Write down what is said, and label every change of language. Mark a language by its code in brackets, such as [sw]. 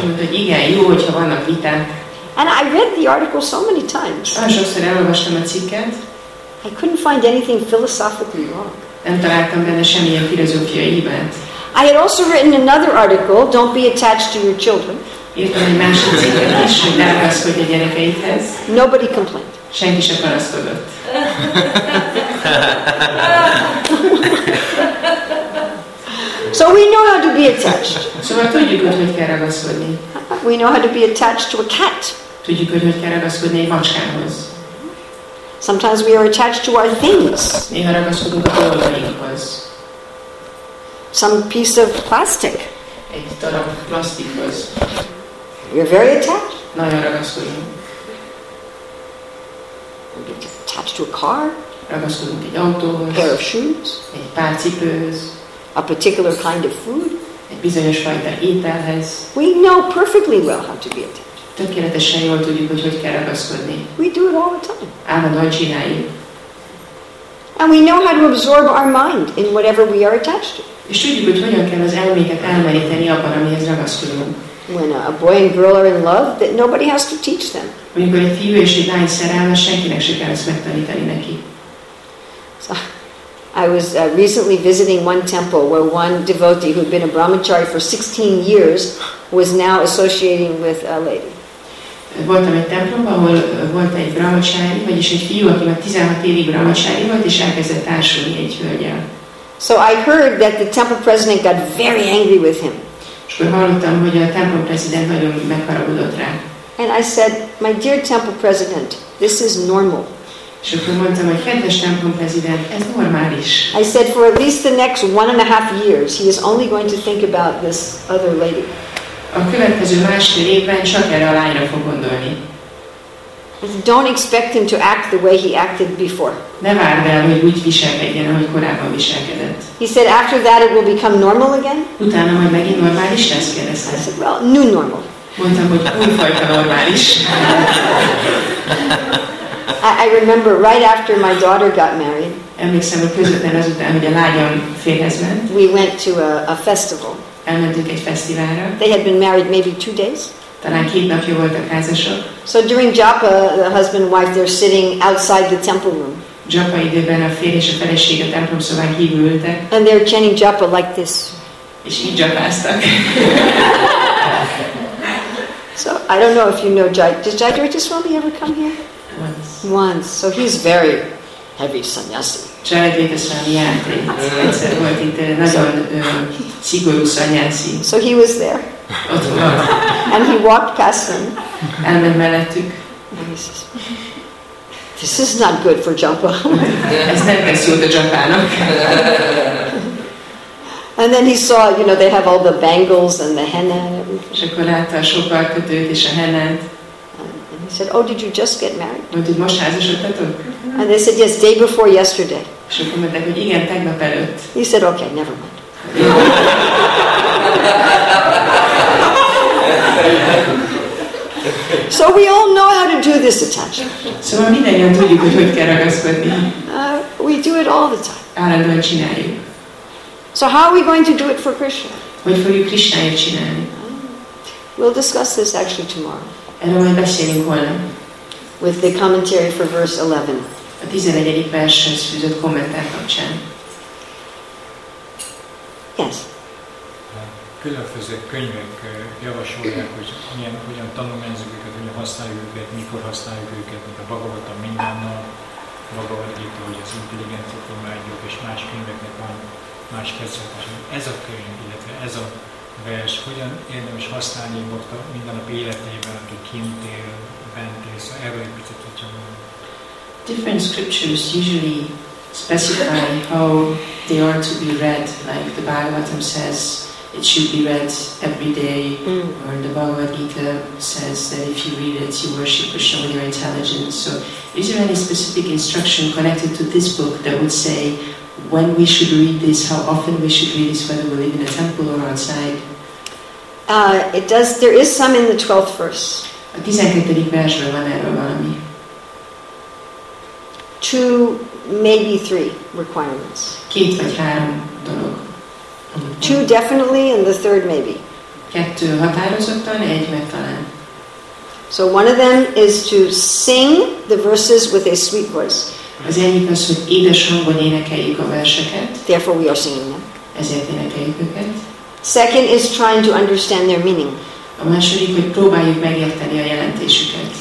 [en] And I read the article so many times. I couldn't find anything philosophically wrong. I had also written another article, "Don't be attached to your children." Nobody complained. [hu] Senki sem panaszkodott. [en] So we know how to be attached. [hu] Szóval tudjuk, hogy hogy kell ragaszkodni. [en] We know how to be attached to a cat. [hu] Tudjuk, hogy hogy kell ragaszkodni egy macskához. [en] Sometimes we are attached to our things. [hu] Néha ragaszkodunk a dolgainkhoz. [en] Some piece of plastic. [hu] Egy darab plastikhoz. [en] You're very attached. [hu] Nagyon ragaszkodunk. [en] Attached to a car, [hu] ragaszkodunk egy autóhoz, [en] a pair of shoes, [hu] egy pár cipőhöz, [en] a particular kind of food, [hu] egy bizonyos fajta ételhez. [en] We know perfectly well how to be attached. [hu] Tökéletesen jól tudjuk, hogy hogy kell ragaszkodni. [en] We do it all the time. [hu] Állandóan csináljuk. [en] And we know how to absorb our mind in whatever we are attached to. [hu] És tudjuk, hogy hogyan kell az elménket elmeríteni abban, amihez ragaszkodunk. [en] When a boy and girl are in love, that nobody has to teach them. [hu] Amikor egy fiú és egy lány szerelme, senkinek se kell ezt megtanítani neki. [en] So, I was recently visiting one temple where one devotee who had been a brahmachari for 16 years was now associating with a lady. [hu] Voltam egy templomban, ahol volt egy brahmachari, vagyis egy fiú, aki már 16 évig brahmachari volt, és elkezdett társulni egy hölgyel. [en] So I heard that the temple president got very angry with him. [hu] És akkor hallottam, hogy a templom prezident nagyon megharagudott rá. [en] And I said, "My dear temple president, this is normal." [hu] És akkor mondtam, hogy kedves templom prezident, ez normális. [en] I said, "For at least the next 1.5 years, he is only going to think about this other lady." [hu] A következő másfél évben csak erre a lányra fog gondolni. [en] Don't expect him to act the way he acted before. [hu] Ne várd el, hogy úgy viselkedjen, ahogy korábban viselkedett. [en] He said after that it will become normal again. [hu] Utána majd megint normális lesz, kérdezte. [en] I said, well, new normal. [hu] Mondtam, hogy újfajta normális. [en] I remember right after my daughter got married. [hu] Emlékszem, hogy közvetlen azután, hogy a lányom férhez ment. [en] We went to a festival. [hu] Elmentünk egy fesztiválra. [en] They had been married maybe 2 days. [hu] Talán 2 napja voltak házasok. [en] So during japa, the husband and wife, they're sitting outside the temple room. [hu] Japa időben a férj és a feleség a templom szobán kívül ültek. [en] And they're chanting japa like this. [hu] És így japáztak. [en] So I don't know if you know Jai. Does Jai Dorje Swami ever come here? Once. So he's very heavy sannyasi. [hu] Jai Dorje Swami, egyszer volt itt nagyon szigorú sannyasi. [en] So he was there. And he walked past them. And then [hu] mellettük. [en] This is not good for Japa. [hu] Ez nem lesz jó a Japának. [en] And then he saw, you know, they have all the bangles and the henna and everything. [hu] És akkor látta a sok alkötőt és a hennát. [en] And he said, "Oh, did you just get married?" [hu] Mondtuk, most házasodtatok? [en] And they said, "Yes, day before yesterday." [hu] És akkor mondták, hogy igen, tegnap előtt. [en] He said, "Okay, never mind." So we all know how to do this attachment. [hu] So mindannyian tudjuk, hogy hogy kell ragaszkodni. [en] We do it all the time. [hu] Állandóan csináljuk. [en] So how are we going to do it for Krishna? [hu] Hogy fogjuk Krishnáért csinálni? [en] We'll discuss this actually tomorrow. [hu] Erről majd beszélünk holnap. [en] With the commentary for verse 11. [hu] A 11. vershez fűzött kommentár kapcsán. [en] Yes. [hu] Különböző könyvek javasolják, hogy milyen, hogyan tanulmányozunk őket, hogyan használjuk őket, mikor használjuk őket, mint a Bhagavatam minden nap, maga a Gita, hogy az intelligencia tanulmányok és más könyveknek van más kezdetben. Ez a könyv, illetve ez a vers, hogyan érdemes használni ott a mindennapi életében, aki kint él, bent él, szóval erről egy picit, hogyha mondom. [en] Different scriptures usually specify how they are to be read, like the Bhagavatam says it should be read every day, or the Bhagavad Gita says that if you read it, you worship or show your intelligence. So is there any specific instruction connected to this book that would say when we should read this, how often we should read this, whether we live in a temple or outside? It does. There is some in the 12th verse. [hu] A 12. versre van erről valami. [en] Two, maybe three requirements. [hu] Két vagy három dolog. [en] Two definitely, and the third maybe. [hu] Kettő határozottan, egy meg talán. [en] So one of them is to sing the verses with a sweet voice. [hu] Az egyik az, hogy édes hangon énekeljük a verseket. [en] Therefore we are singing them. [hu] Ezért énekeljük őket. [en] Second is trying to understand their meaning. [hu] A második, hogy próbáljuk megérteni a jelentésüket.